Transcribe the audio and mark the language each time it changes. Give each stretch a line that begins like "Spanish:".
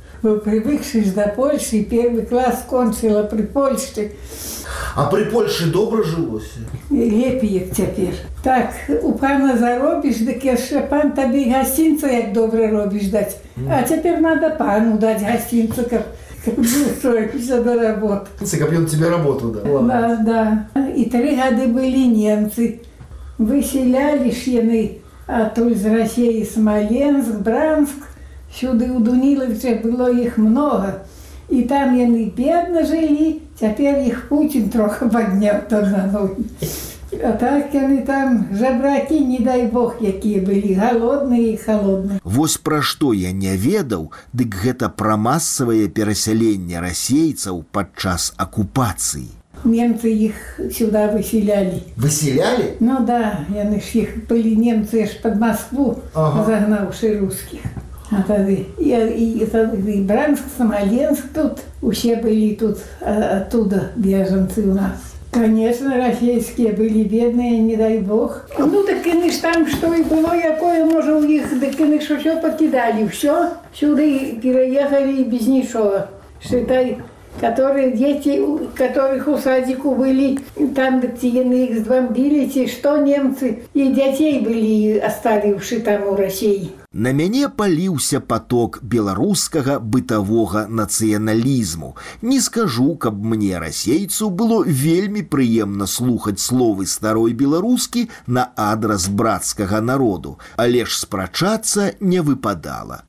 Russian: Был привыкшись до Польши, первый класс кончила при Польше. А при Польше добро жилось? Лепи, як теперь. Так, у пана заробишь, так я ще пан тобі гостинцу, як добре робишь, дать. А теперь надо пану дать гостинцу, как устроишься до работы. Каб он тебе работу дал. Да, да. И 3 года были немцы. Выселяли шены, а то из России Смоленск, Бранск. Сюды у Дуніловича было их много, и там яны бедно жили, теперь их Путин трохи подняв то на ноги.
Belarusian: А так яны там жабраки, не дай бог, якія былі, галодныя і халодныя. Вось пра што я не ведаў, дык гэта пра масавае перасяленне расейцаў падчас акупацыі.
Russian: Немцы их сюда выселяли. Выселяли? Ну да, яны ж их были немцы аж под Москву, ага, загнавши русских. А тогда и Бранск, Смоленск тут, все были тут оттуда беженцы у нас. Конечно, российские были бедные, не дай бог. Ну, так они ж там, что и было, якое, может, у них, так они ж все покидали, все. Сюда переехали без ничего. Считай, которые дети, у которых у садику были, там, где они их сбомбили, что немцы, и детей были оставившие там у России.
Belarusian: На мяне паліўся поток беларускага бытавога нацыяналізму. Не скажу, каб мне, расейцу, было вельмі прыемна слухаць словы старой беларускі на адрас брацкага народу, але ж спрачацца не выпадала.